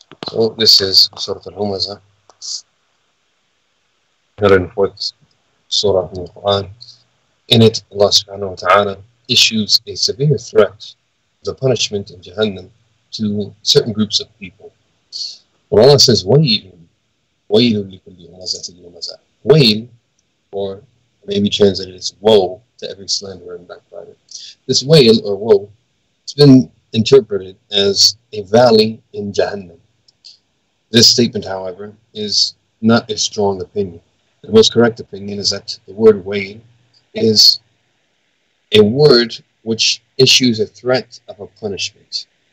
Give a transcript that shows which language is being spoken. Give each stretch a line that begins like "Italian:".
English: So this is Surah Al-Humazah, 104th Surah in the Quran. In it, Allah subhanahu wa ta'ala issues a severe threat of the punishment in Jahannam to certain groups of people. But Allah says,
Arabic: وَيْلٌ لِكُلِّ هُمَزَةٍ لُمَزَةٍ.
English: وَيْلٌ, or maybe translated as woe, to every slanderer and backbiter. This wail or woe, it's been interpreted as a valley in Jahannam. This statement, however, is not a strong opinion. The most correct opinion is that the word wail is a word which issues a threat of a punishment.